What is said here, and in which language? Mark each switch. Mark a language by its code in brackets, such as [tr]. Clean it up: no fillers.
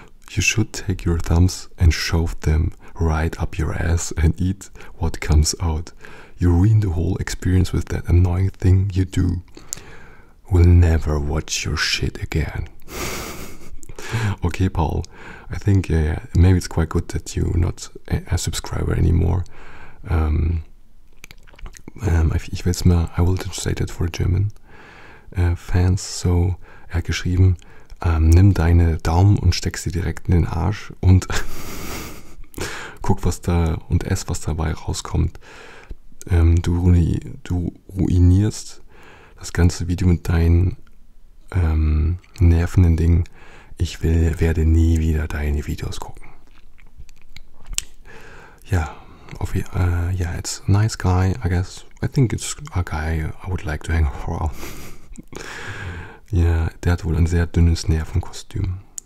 [en] You should take your thumbs and shove them right up your ass and eat what comes out. You ruin the whole experience with that annoying thing you do. Will never watch your shit again. Okay, Paul, I think maybe it's quite good that you're not a subscriber anymore. [de] Ich werde es mal, I will translate it for German Fans, so er hat geschrieben, nimm deine Daumen und steck sie direkt in den Arsch und guck, was da und ess, was dabei rauskommt. Du ruinierst das ganze Video mit deinen nervenden Dingen. Ich werde nie wieder deine Videos gucken. [en] Ja, yeah, it's a nice guy, I guess. I think it's a guy I would like to hang around. [de] Yeah, der hat wohl ein sehr dünnes Nervenkostüm.